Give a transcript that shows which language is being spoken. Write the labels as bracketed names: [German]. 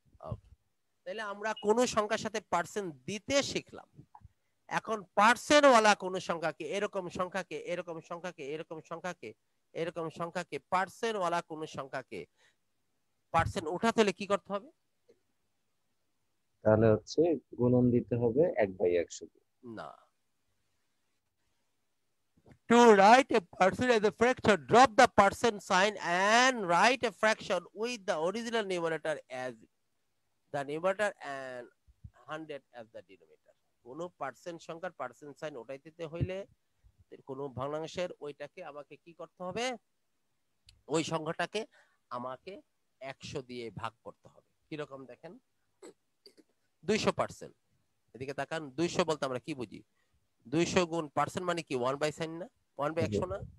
[Bangla] ওকে, তাহলে আমরা কোন সংখ্যার সাথে পার্সেন্ট দিতে শিখলাম। এখন পার্সেন্ট ওয়ালা কোন সংখ্যাকে, এরকম সংখ্যাকে, এরকম সংখ্যাকে, এরকম সংখ্যাকে, এরকম সংখ্যাকে, পার্সেন্ট ওয়ালা কোন সংখ্যাকে পার্সেন্ট উঠাতে হলে কি করতে হবে? তাহলে হচ্ছে গুণন দিতে হবে 1/100। [English] না, to write a percent as a fraction drop the percent sign and write a fraction with the original numerator as the numerator and 100 as the denominator. [Bangla] কোন পার্সেন্ট সংখ্যার পার্সেন্ট সাইন উঠাই দিতে হইলে কোন ভগ্নাংশের ওইটাকে আমাকে কি করতে হবে? ওই সংখ্যাটাকে আমাকে 100 দিয়ে ভাগ করতে হবে। কি রকম দেখেন? 200%। এদিকে তাকান, 200 বলতে আমরা কি বুঝি? 200 গুণ পার্সেন্ট মানে কি 1/100 না 1/100 না?